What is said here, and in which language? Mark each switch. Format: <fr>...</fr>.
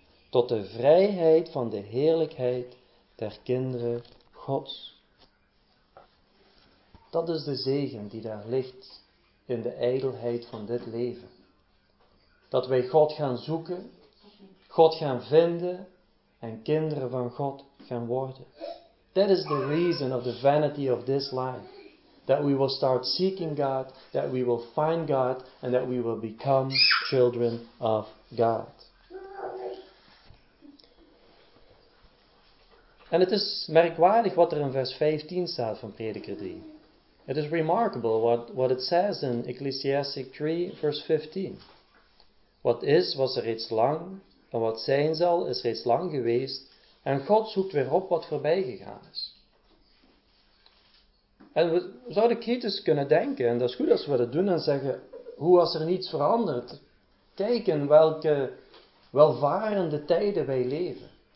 <nl>Tot de vrijheid van de heerlijkheid der kinderen Gods. Dat is de zegen die daar ligt in de ijdelheid van dit leven. Dat wij God gaan zoeken, God gaan vinden en kinderen van God gaan worden.</nl> <en>That is the reason of the vanity of this life. That we will start seeking God, that we will find God and that we will become children of God.</en> <nl>En het is merkwaardig wat er in vers 15 staat van Prediker 3.</nl> <en>It is remarkable what it says in Ecclesiastes 3, verse 15.</en> <nl>Wat is, was er reeds lang, en wat zijn zal, is reeds lang geweest, en God zoekt weer op wat voorbij gegaan is. En we zouden kritisch kunnen denken, en dat is goed als we dat doen, en zeggen, hoe was er niets veranderd? Kijk in welke welvarende tijden wij leven.</nl>